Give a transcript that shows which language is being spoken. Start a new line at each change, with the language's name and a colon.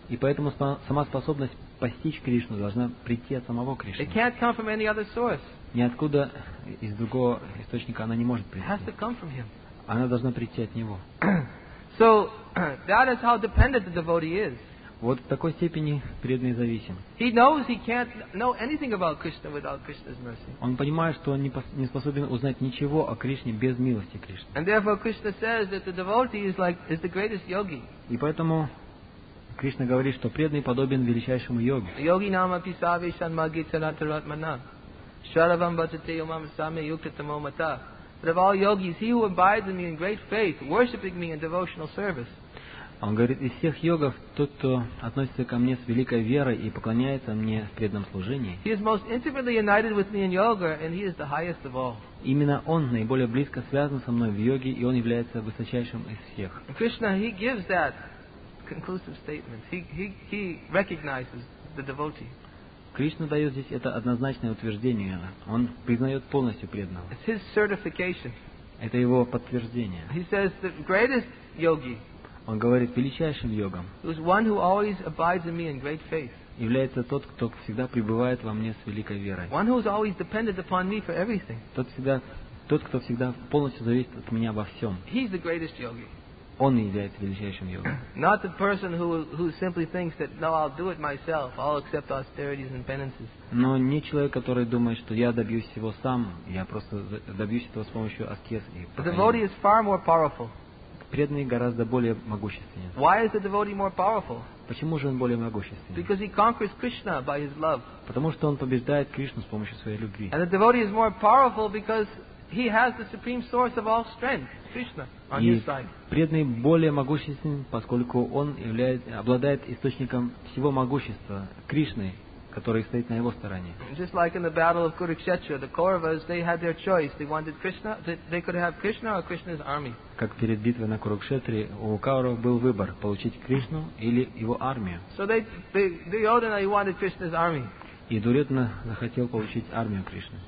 Russian: И поэтому сама способность постичь Кришну должна прийти от самого Кришны.
English: It can't come from any other source.
Russian: Ниоткуда из другого источника она не может прийти.
English: It has to come from him.
Russian: Она должна прийти от него.
English: So that is how dependent the devotee is.
Russian: Вот в такой степени преданный зависим.
English: He knows he can't know anything about Krishna without Krishna's mercy.
Russian: Он понимает, что он не способен узнать ничего о Кришне без милости Кришны.
English: And therefore Krishna says that the devotee is the greatest yogi.
Russian: И поэтому Кришна говорит, что преданный подобен величайшему йоге.
Sanskrit: Йоги нама писави санмаги санатаратмана. Шаравам бачате йомам саме юктатамо мата.
English: But of all yogis, he who abides in me in great faith, worshipping me in devotional service.
Russian: Он говорит, из всех йогов, тот, кто относится ко мне с великой верой и поклоняется мне в преданном служении.
English: He is most intimately united with me in yoga, and he is the highest of all.
Russian: Именно он наиболее близко связан со мной в йоге, и он является высочайшим из всех.
English: Krishna, he gives that conclusive statement. He recognizes the devotee.
Russian: Кришна дает здесь это однозначное утверждение. Он признает полностью преданного.
English: It's his certification.
Russian: Это его подтверждение.
English: He says the greatest yogi.
Russian: Он говорит, величайшим йогам является тот, кто всегда пребывает во мне с великой верой.
English: One who is always dependent upon me for everything.
Russian: Тот, кто всегда полностью зависит от меня во всем.
English: He's the greatest yogi.
Russian: Он является величайшим йогом.
English: Not the person who simply thinks that, no, I'll do it myself, I'll accept austerities and penances.
Russian: Но не человек, который думает, что я добьюсь всего сам, я просто добьюсь этого с помощью аскез и
English: The devotee is far more powerful.
Russian: Преданный гораздо более могущественен.
English: Why is the devotee more powerful?
Russian: Почему же он более могущественен?
English: Because he conquers Krishna by his love.
Russian: Потому что он побеждает Кришну с помощью своей любви.
English: And the devotee is more powerful because he has the supreme source of all strength, Krishna, on his side.
Russian: Преданный более могущественен, поскольку он обладает источником всего могущества Кришны, который стоит на его стороне.
English: Just like in the battle of Kurukshetra, the Kauravas, they had their choice. They wanted Krishna, they could have Krishna or Krishna's army.
Russian: Как перед битвой на Курукшетре, у Кауров был выбор, получить Кришну или его армию.
English: So Duryodhana, he wanted Krishna's army.
Russian: И Дурьотна захотел получить армию Кришны.